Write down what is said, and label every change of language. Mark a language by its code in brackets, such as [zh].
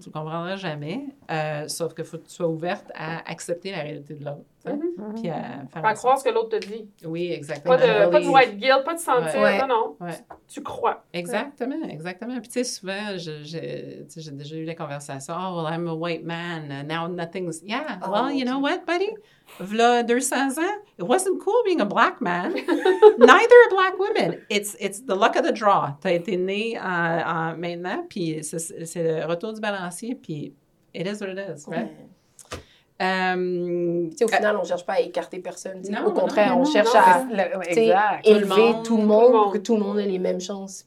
[fr] Tu ne comprendras jamais. Sauf qu'il faut que tu sois ouverte à accepter la réalité de l'autre. Puis à croire ce que l'autre te dit. Oui, exactement. Pas de white guilt, pas de sentir. Tu crois. Exactement, exactement. Puis tu sais, souvent, j'ai déjà eu des conversations. [en] Oh, well, I'm a white man. Now nothing's... Yeah, well, you know what, buddy? [fr] V'là 200 ans, [en] it wasn't cool being a black man. Neither a black woman. It's the luck of the draw. [fr] T'as été née maintenant, puis c'est le retour du balancier, puis [en] it is what it is, right? [fr] Au final, on ne cherche pas à écarter personne. Au contraire, on cherche à élever tout le monde pour que tout le monde ait les mêmes chances.